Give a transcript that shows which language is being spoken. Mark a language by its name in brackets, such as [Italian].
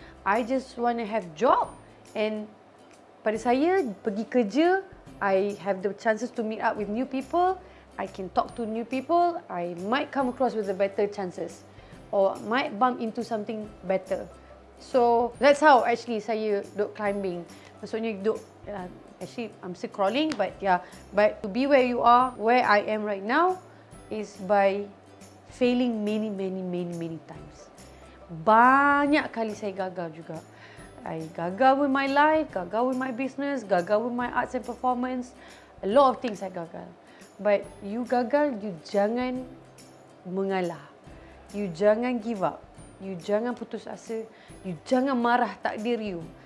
[English] I just want to have job and [Malay] pada saya pergi kerja, [English] I have the chances to meet up with new people, I can talk to new people, I might come across with a better chances or might bump into something better. So that's how actually [Malay] saya duk [English] climbing. [Malay] Maksudnya duk [English] actually I'm still crawling, but yeah, but to be where you are, where I am right now is by failing many times. [Malay] Banyak kali saya gagal juga. [English] I [Malay] gagal [English] with my life, gagal with my business, gagal with my arts and performance. A lot of things I [Malay] gagal. [English] But you gagal, you [Malay] jangan mengalah. You jangan [English] give up. [Malay] You jangan putus asa. You jangan marah takdir you.